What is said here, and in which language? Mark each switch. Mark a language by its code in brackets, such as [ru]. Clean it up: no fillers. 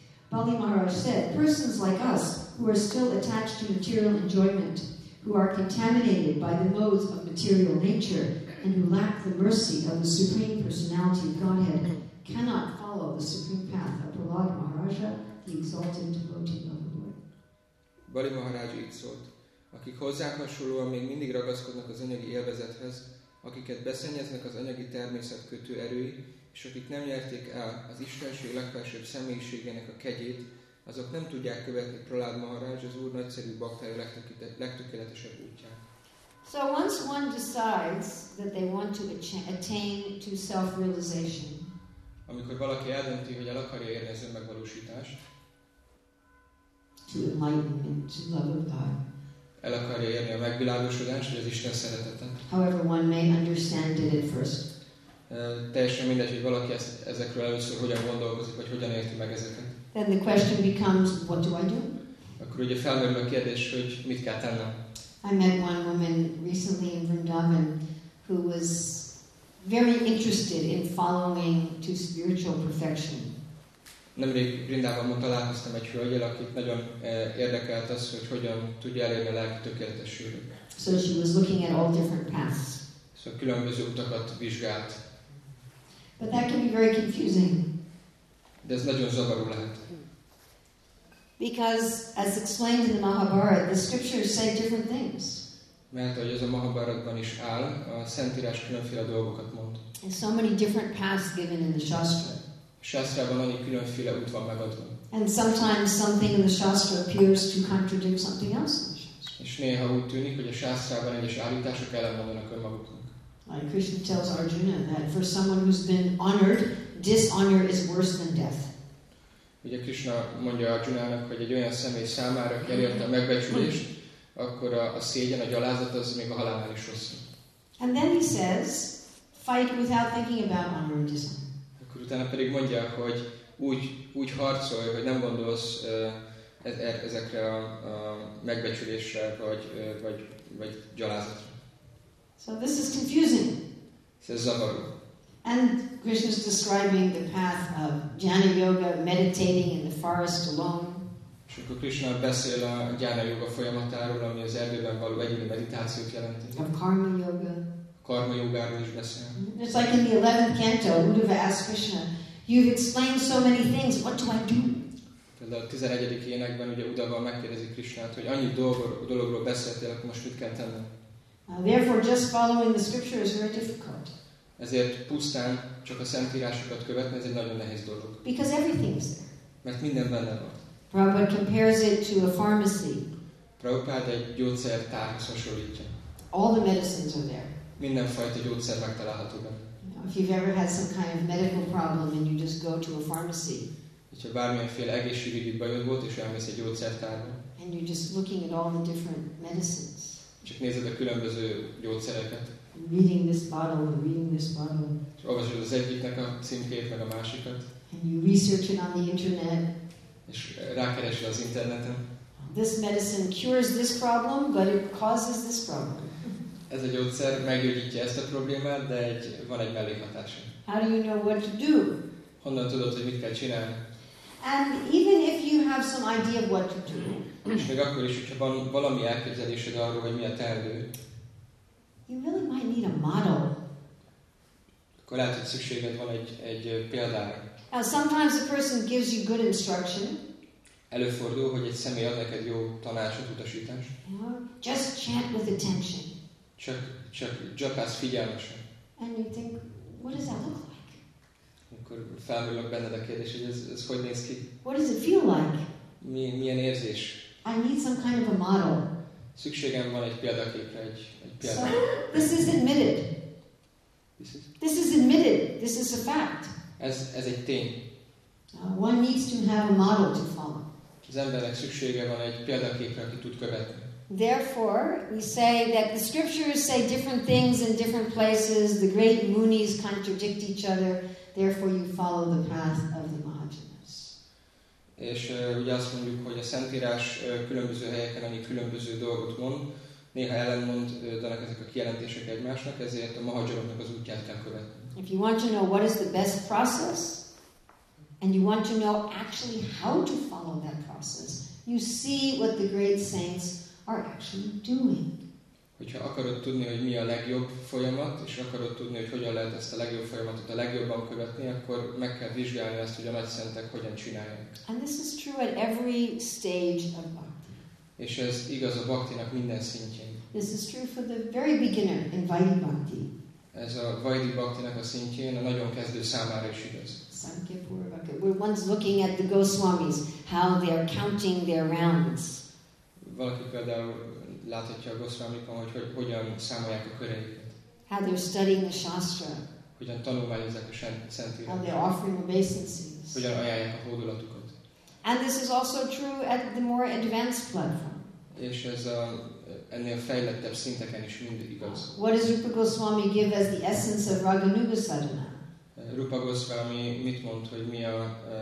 [en] Bali Maharaj said, persons like us who are still attached to material enjoyment, who are contaminated by the modes of material nature, and who lack the mercy of the Supreme Personality of Godhead, cannot follow the supreme path of Prahlad Maharaja, the exalted devotee of the Lord. [hu] Bali Maharaj így szólt, akik hozzánk hasonlóan még mindig ragaszkodnak az anyagi élvezethez, akiket beszennyeznek az anyagi természet kötő erői, és akik nem nyerték el az istenség legfelsőbb személyiségének a kegyét, azok nem tudják követni Prahlád Maharaj az Úr nagyszerű baktája legtökéletesebb útját. [en] So once one decides that they want to attain to self-realization, [hu] amikor valaki eldönti, hogy el akarja érni az önmegvalósítást, [en] to enlightenment, to love of God, [hu] el akarja érni a megvilágosodást, vagy az Isten szeretetet, [en] however one may understand it at first, [hu] teljesen mindegy, hogy valaki ezekről először hogyan gondolkozik, vagy hogyan érti meg ezeket. [en] Then the question becomes, what do I do? [hu] Akkor ugye felmerül a kérdés, hogy mit kell tennem. [en] I met one woman recently in Vrindavan who was very interested in following to spiritual perfection. [hu] Nemrég Vrindavanban találkoztam egy hölgyel, akit nagyon érdekelt az, hogy hogyan tudja elérni a lelki tökéletességet. [en] So she was looking at all different paths. [hu] Szóval különböző utakat vizsgált. [en] But that can be very confusing. [hu] De ez nagyon zavaró lehet. [en] Because as explained in the Mahabharata, the scriptures say different things. [hu] Mert ahogy ez a Mahabharatban is áll, a Szentírás különféle dolgokat mond. [en] And so many different paths given in the Shastra. [hu] A Shastrában annyi különféle út van megadva. [en] And sometimes something in the Shastra appears to contradict something else in the Shastra. [hu] És néha úgy tűnik, hogy a Shastrában egyes állítások ellenmondanak önmaguknak. [en] Like Krishna tells Arjuna that for someone who's been honored, dishonor is worse than death. [hu] Ugye Krishna mondja Arjunának, hogy egy olyan személy számára, aki elérte a megbecsülést, akkor a szégyen, a gyalázat az még a halálnál is rosszabb. [en] And then he says, fight without thinking about honor and dishonor. [hu] Akkor utána pedig mondja, hogy úgy harcolj, hogy nem gondolsz ezekre a megbecsülésre, vagy gyalázatra. [en] So this is confusing. [hu] Ez zavaró. [en] And Krishna is describing the path of jnana yoga, meditating in the forest alone. [hu] És akkor Krishna beszél a jnana yoga folyamatáról, ami az erdőben való egyéni meditációt jelenti. [en] Of karma yoga. [hu] Karma yogáról is beszél. [en] It's like in the 11th canto, Uddhava asks Krishna, you've explained so many things, what do I do? [hu] Például a 11. énekben ugye Uddhava megkérdezi Krishnát, hogy annyi dologról beszéltél, akkor most mit kell tennem? [en] Therefore, just following the scripture is very difficult. [hu] Ezért pusztán csak a szentírásokat követni, ez egy nagyon nehéz dolog. [en] Because everything is there. [hu] Mert minden benne van. [en] Prabhupada compares it to a pharmacy. [hu] Prabhupada egy gyógyszertárhoz hasonlítja. [en] All the medicines are there. [hu] Mindenfajta gyógyszer megtalálható benne. [en] If you've ever had some kind of medical problem and you just go to a pharmacy. [hu] Hogyha bármilyenféle egészségügyi bajod volt és elmész egy gyógyszertárba. [en] And you're just looking at all the different medicines. [hu] Csak nézed a különböző gyógyszereket. [en] Reading this bottle and reading this bottle. [hu] Olvasod az egyiknek a címkét, meg a másikat. [en] And you research it on the internet. [hu] És rákeresel az interneten. [en] This medicine cures this problem, but it causes this problem. [hu] Ez a gyógyszer meggyógyítja ezt a problémát, de van egy mellékhatása. [en] How do you know what to do? [hu] Honnan tudod, hogy mit kell csinálni? [en] And even if you have some idea of what to do. [hu] És még akkor is, hogyha van valami elképzelésed arról, hogy mi a teendő. [en] You really might need a model. [hu] Akkor lehet, hogy szükséged van egy példára. [en] Now sometimes a person gives you good instruction. [hu] Előfordul, hogy egy személy ad neked jó tanácsot, utasítást. [en] Just chant with attention. [hu] Csak japász figyelmesen. [en] And you think, what does that look like? [hu] Akkor felmerülök benned a kérdés, hogy ez hogy néz ki? [en] What does it feel like? [hu] Milyen érzés? [en] I need some kind of a model. [hu] Szükségem van egy példaképre, egy példa. [en] So, this is admitted. This is admitted. This is a fact. [hu] Ez egy tény. [en] One needs to have a model to follow. [hu] Az embernek szüksége van egy példaképre, aki tud követni. [en] Therefore, we say that the scriptures say different things in different places. The great Munis contradict each other. Therefore, you follow the path of the Mahajanas. [hu] És ugye azt mondjuk, hogy a Szentírás különböző helyeken annyi különböző dolgot mond, néha ellenmond, danak ezek a kijelentések egymásnak, ezért a Mahajanoknak az útját kell követni. [en] If you want to know what is the best process, and you want to know actually how to follow that process, you see what the great saints are actually doing. [hu] Hogyha akarod tudni, hogy mi a legjobb folyamat, és akarod tudni, hogy hogyan lehet ezt a legjobb folyamatot a legjobban követni, akkor meg kell vizsgálni azt, hogy a nagy szentek hogyan csinálják. [en] And this is true at every stage of bhakti. [hu] És ez igaz a bhaktinak minden szintjén. [en] This is true for the very beginner in vaidhi bhakti. [hu] Ez a vaidhi bhaktinak a szintjén a nagyon kezdő számára is igaz. [en] We're once looking at the Goswamis, how they are counting their rounds. [hu] Valaki például láthatja a Goswamikon, hogy hogyan számolják a köreiket. [en] How they're studying the Shastra. [hu] Hogyan tanulmányozzák a Szentírást. [en] How they're offering obeisances. [hu] Hogyan ajánlják a hódolatukat. [en] And this is also true at the more advanced platform. [hu] És ez a ennél fejlettebb szinteken is mindig igaz. [en] What does Rupa Goswami give as the essence of Raghunuga Sadhana? [hu] Rupa Goswami mit mond, hogy mi a